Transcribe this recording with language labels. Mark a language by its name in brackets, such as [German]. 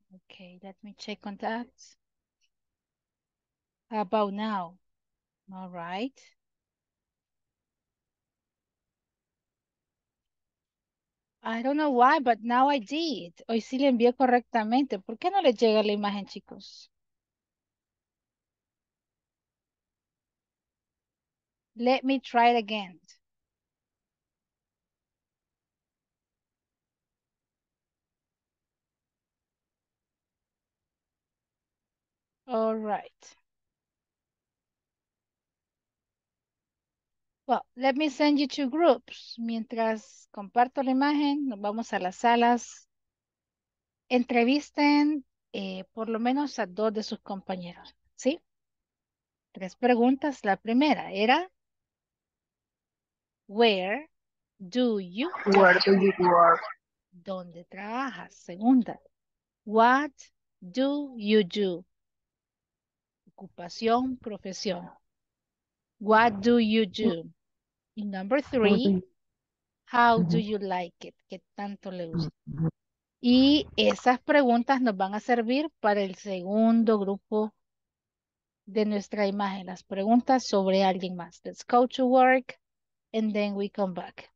[English] Okay, let me check on that. About now. All right. I don't know why, but now I did. [Spanish] Hoy sí le envié correctamente. ¿Por qué no le llega la imagen, chicos? [English] Let me try it again. All right. Well, let me send you two groups. [Spanish] Mientras comparto la imagen, nos vamos a las salas. Entrevisten por lo menos a dos de sus compañeros, ¿sí? Tres preguntas. La primera era, [English] Where do you work? [Spanish] ¿Dónde trabajas? Segunda, [English] what do you do? [Spanish] Ocupación, profesión. [English] What do you do? Y number three, how do you like it? [Spanish] ¿Qué tanto le gusta? Y esas preguntas nos van a servir para el segundo grupo de nuestra imagen, las preguntas sobre alguien más. [English] Let's go to work and then we come back.